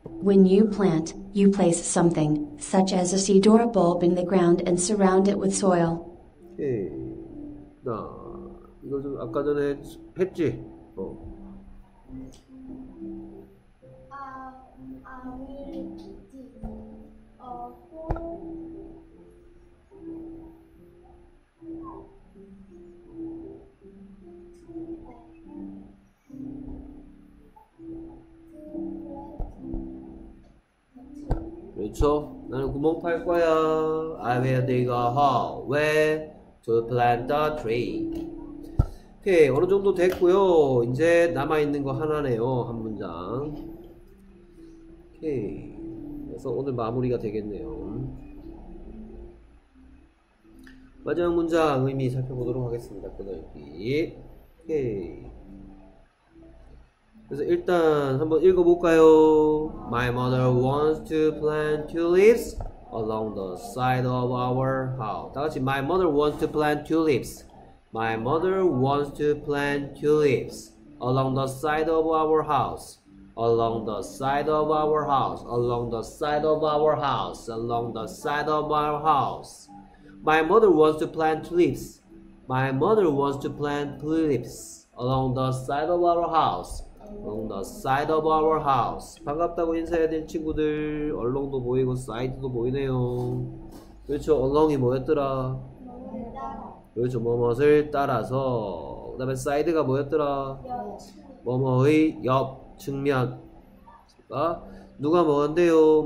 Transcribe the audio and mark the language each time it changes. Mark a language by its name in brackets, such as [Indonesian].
[English] When you plant, you place something, such as a seed or a bulb in the ground and surround it with soil. [Korean] 오케이. 나 이거 좀 아까 전에 했지? 어. [English] I will dig a hole. [Korean] 그렇죠? 나는 구멍 팔 거야. [English] I will dig a hole where to plant a tree. [Korean] 오케이, 어느 정도 됐고요. 이제 남아 있는 거 하나네요. 한 문장. 오케이. 그래서 오늘 마무리가 되겠네요. 마지막 문장 의미 살펴보도록 하겠습니다. 끊어읽기. 오케이. 그래서 일단 한번 읽어볼까요? [English] My mother wants to plant tulips along the side of our house. [Korean] 다 같이 [English] My mother wants to plant tulips. My mother wants to plant tulips along the side of our house. Along the side of our house. Along the side of our house. Along the side of our house. My mother wants to plant tulips. My mother wants to plant tulips along the side of our house. Along the side of our house. [Korean] 반갑다고 인사해야 될 친구들. 얼롱도 보이고 사이드도 보이네요. 그렇죠. 얼롱이 뭐였더라? 그렇죠. 뭐뭇을 따라서. 그 다음에 사이드가 뭐였더라? 뭐뭇의 옆 측면. 아, 누가 뭐한대요?